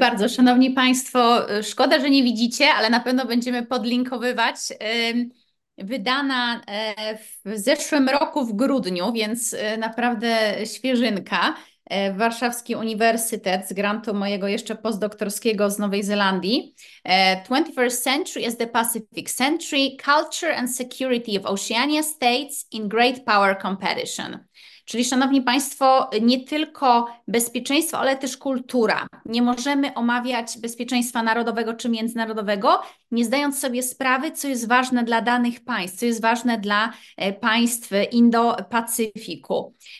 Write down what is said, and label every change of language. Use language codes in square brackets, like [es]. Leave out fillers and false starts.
[pl] Bardzo, Szanowni Państwo. Szkoda, że nie widzicie, ale na pewno będziemy podlinkowywać. Wydana w zeszłym roku w grudniu, więc naprawdę świeżynka. Warszawski Uniwersytet z grantu mojego jeszcze postdoktorskiego z Nowej Zelandii. [en] 21st century is the Pacific century, culture and security of Oceania states in great power competition. [pl] Czyli szanowni państwo, nie tylko bezpieczeństwo, ale też kultura. Nie możemy omawiać bezpieczeństwa narodowego czy międzynarodowego, nie zdając sobie sprawy, co jest ważne dla danych państw, co jest ważne dla państw Indo-Pacyfiku.